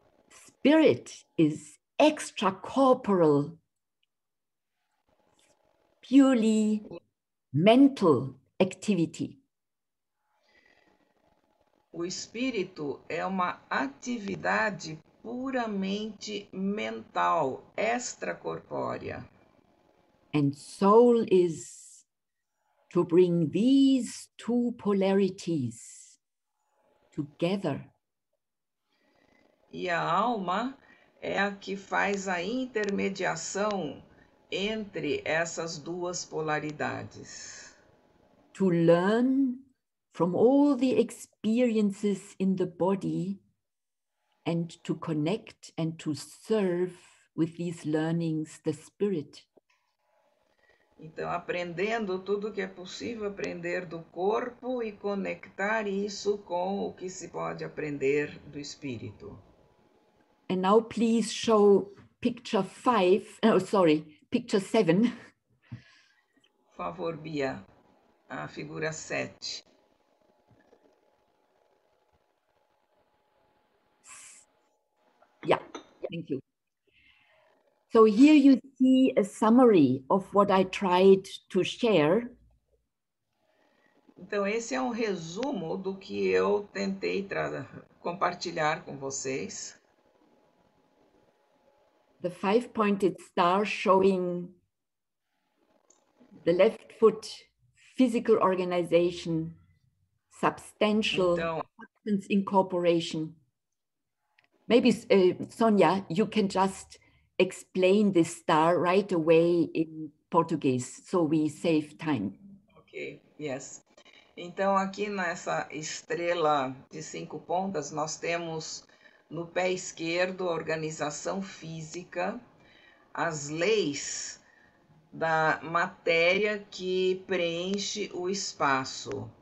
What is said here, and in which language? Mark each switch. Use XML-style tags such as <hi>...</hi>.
<en>Spirit is extracorporeal, purely mental activity.</en> <pt>O espírito é uma atividade puramente mental, extracorpórea.</pt> <en>And soul is to bring these two polarities together.</en> <pt>E a alma é a que faz a intermediação entre essas duas polaridades.</pt> <en>To learn from all the experiences in the body and to connect and to serve with these learnings the spirit.</en> <pt>Então, aprendendo tudo que é possível aprender do corpo e conectar isso com o que se pode aprender do espírito.</pt> <en>And now please show picture 7.</en> <pt>Por favor, Bia, a figura 7.</pt> <en>Yeah, thank you. So here you see a summary of what I tried to share.</en> <pt>Então, esse é um resumo do que eu tentei compartilhar com vocês.</pt> <en>The five-pointed star showing the left foot physical organization, substantial substance incorporation. Maybe, Sonia, you can just explain this star right away in Portuguese, so we save time. Okay, yes.</en> <pt>Então, aqui nessa estrela de cinco pontas, nós temos no pé esquerdo a organização física, as leis da matéria que preenche o espaço.</pt>